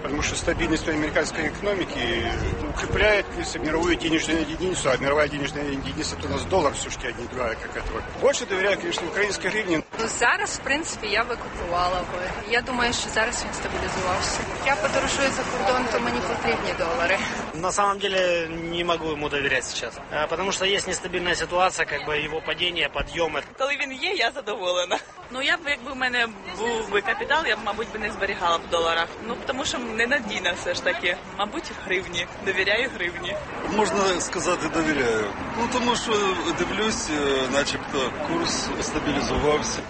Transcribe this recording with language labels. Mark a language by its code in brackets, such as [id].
[uk] Тому що стабільність американської економіки укріпляє світову денежну єдиницю, а світова денежна єдиниця то у нас долар, все ж таки, одні два, як це. Більше довіряю, звісно, українській гривні. Ну, зараз, в принципі, я викупувала би. Я думаю, що зараз він стабілізувався. Я подорожую за кордон, то мені потрібні долари. [ru] На самом деле не могу ему доверять сейчас, потому что есть нестабильная ситуация, как бы его падение, подъемы. [uk] Коли він є, я задоволена. Ну я б, якби в мене був би капітал, я б, мабуть, би не зберігала в доларах. Ну тому що ненадійна все ж таки. Мабуть, гривні. Довіряю гривні. Можна сказати, довіряю. Ну тому що дивлюсь, начебто курс стабілізувався.